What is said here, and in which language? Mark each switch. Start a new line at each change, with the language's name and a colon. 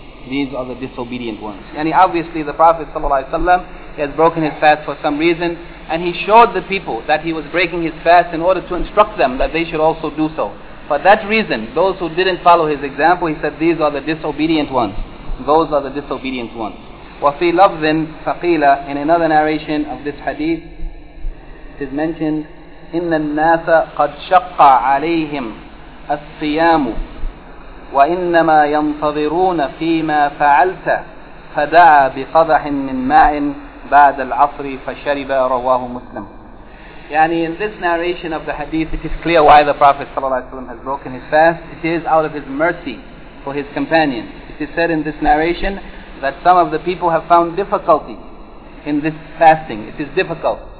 English: These are the disobedient ones. Yani obviously the Prophet ﷺ, he has broken his fast for some reason, and he showed the people that he was breaking his fast in order to instruct them that they should also do so. For that reason, those who didn't follow his example, he said, these are the disobedient ones. Those are the disobedient ones.
Arabic: وَفِي لَفْظٍ فَقِيلًا.
English: In another narration of this hadith, it is mentioned,
Arabic: إِنَّ النَّاسَ قَدْ شَقَّ عَلَيْهِمْ الصِّيَامُ وَإِنَّمَا يَنْتَظِرُونَ فِيمَا فَعَلْتَ فَدَعَى بِقَضَحٍ مِّن مَاءٍ بَعْدَ الْعَصْرِ فَشَرِبَ. رَوَاهُ مُسْلِمٌ.
English: Yani in this narration of the hadith, it is clear why the Prophet ﷺ has broken his fast. It is out of his mercy for his companions. It is said in this narration that some of the people have found difficulty in this fasting. It is difficult.